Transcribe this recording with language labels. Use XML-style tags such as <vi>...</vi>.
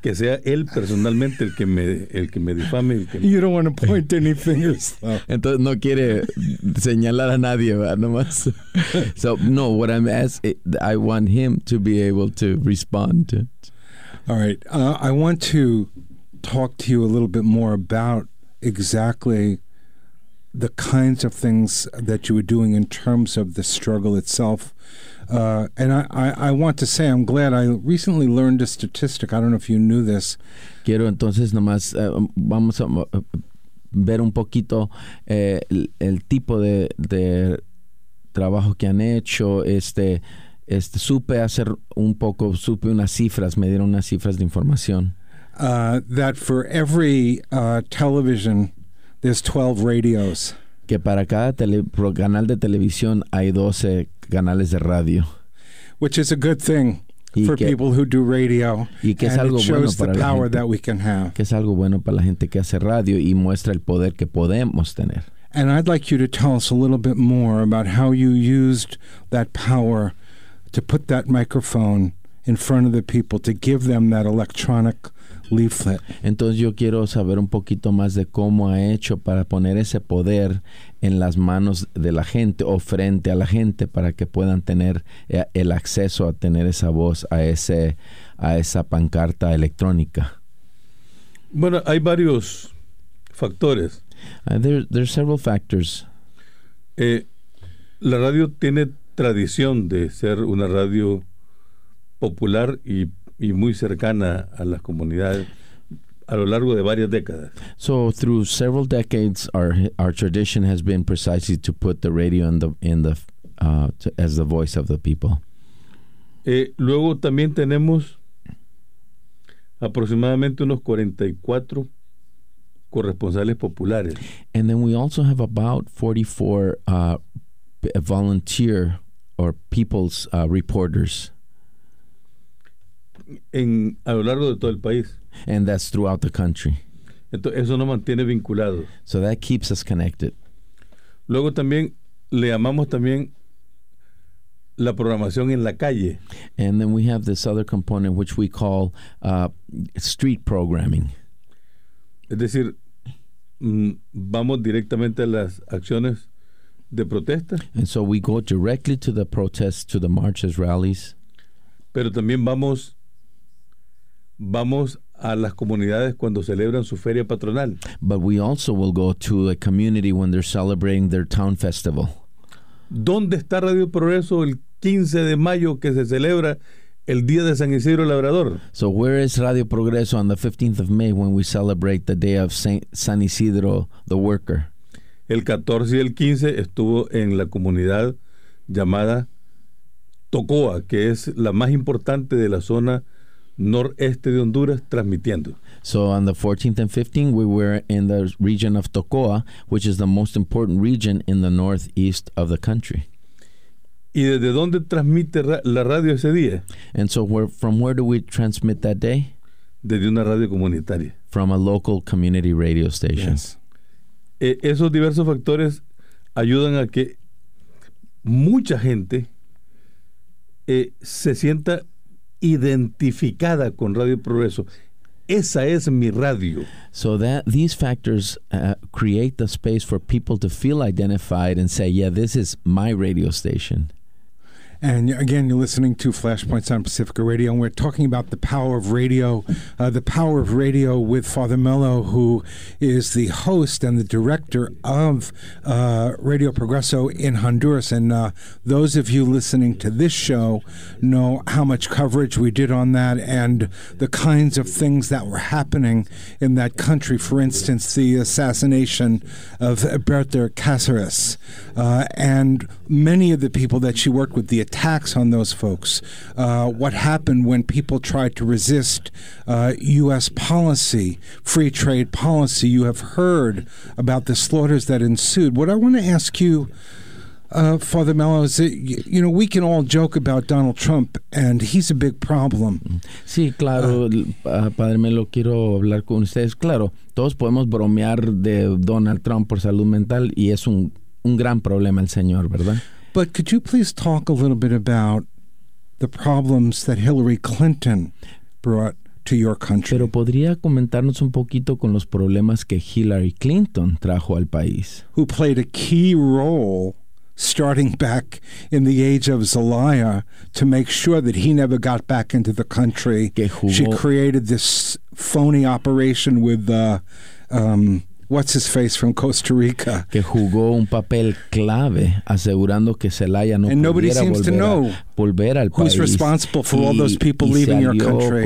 <es>Que sea él personalmente el que me difame.</es> <en>You don't want to point any fingers. Oh.</en> <es>Entonces no quiere señalar a nadie, ¿verdad? Nomás.</es> <en>So, no, what I'm asking, I want him to be able to respond to it. All right. I want to talk to you a little bit more about exactly the kinds of things that you were doing in terms of the struggle itself. And I want to say I'm glad I recently learned a statistic. I don't know if you knew this.</en> <es>Quiero entonces nomás vamos a ver un poquito el tipo de trabajo que han hecho. Supe unas cifras, me dieron unas cifras de información.</es> <en>That for every television there's 12 radios.</en> <es>Que para cada canal de televisión hay 12 canales de radio.</es> <en>Which is a good thing for people who do radio.</en> <es>Y que es algo bueno para la gente.</es> <en>And it shows the power that we can have.</en> <es>Que es algo bueno para la gente que hace radio y muestra el poder que podemos tener.</es> <en>And I'd like you to tell us a little bit more about how you used that power to put that microphone in front of the people, to give them that electronic leaflet.</en> <es>Entonces yo quiero saber un poquito más de cómo ha hecho para poner ese poder en las manos de la gente o frente a la gente para que puedan tener el acceso a tener esa voz a esa pancarta electrónica. Bueno, hay varios factores.</es> <en>There are several factors.</en> <es>La radio tiene tradición de ser una radio popular y muy cercana a las comunidades a lo largo de varias décadas.</es> <en>So through several decades, our tradition has been precisely to put the radio as the voice of the people.</en> <es>Luego también tenemos aproximadamente unos 44 corresponsales populares.</es> <en>And then we also have about 44 volunteer or people's reporters.</en> <es>A lo largo de todo el país.</es> <en>And that's throughout the country.</en> <es>Entonces, eso nos mantiene vinculados.</es> <en>So that keeps us connected.</en> <es>Luego también le llamamos también la programación en la calle.</es> <en>And then we have this other component which we call street programming.</en> <es>Es decir, vamos directamente a las acciones de protesta.</es> <en>And so we go directly to the protests, to the marches, rallies.</en> <es>Pero también vamos a las comunidades cuando celebran su feria patronal.</es> <en>But we also will go to a community when they're celebrating their town festival.</en> <es>¿Dónde está Radio Progreso el 15 de mayo que se celebra el Día de San Isidro Labrador?</es> <en>So where is Radio Progreso on the 15th of May when we celebrate the day of San Isidro the worker?</en> <es>El 14 y el 15 estuvo en la comunidad llamada Tocoa, que es la más importante de la zona noreste de Honduras, transmitiendo.</es> <en>So on the 14th and 15th, we were in the region of Tocoa, which is the most important region in the northeast of the country.</en> <es>¿Y desde dónde transmite la radio ese día?</es> <en>And so from where do we transmit that day?</en> <es>Desde una radio comunitaria.</es> <en>From a local community radio station. Yes.</en> <es>Esos diversos factores ayudan a que mucha gente se sienta identificada con Radio Progreso. Esa es mi radio.</es> <en>So that these factors create the space for people to feel identified and say, yeah, this is my radio station. And again, you're listening to Flashpoints on Pacifica Radio, and we're talking about the power of radio, the power of radio with Father Mello, who is the host and the director of Radio Progreso in Honduras. And those of you listening to this show know how much coverage we did on that and the kinds of things that were happening in that country. For instance, the assassination of Berta Cáceres and many of the people that she worked with, the attacks on those folks, what happened when people tried to resist U.S. policy, free trade policy. You have heard about the slaughters that ensued. What I want to ask you, Father Mello, is that, you know, we can all joke about Donald Trump, and he's a big problem.</en> <es>Sí, claro, Padre Mello, quiero hablar con ustedes. Claro, todos podemos bromear de Donald Trump por salud mental, y es un gran problema el señor, ¿verdad?</es> <en>But could you please talk a little bit about the problems that Hillary Clinton brought to your country?</en> <es>Pero podría comentarnos un poquito con los problemas que Hillary Clinton trajo al país.</es> <en>Who played a key role starting back in the age of Zelaya to make sure that he never got back into the country.</en> <es>Que jugó.</es> <en>She created this phony operation with the... what's his face from Costa Rica?</en> <es>Que jugó un papel clave asegurando que Zelaya no pudiera volver, volver al</es> <en>who's</en> <es>país.</es> <en>Who's responsible for all those people leaving your country</en>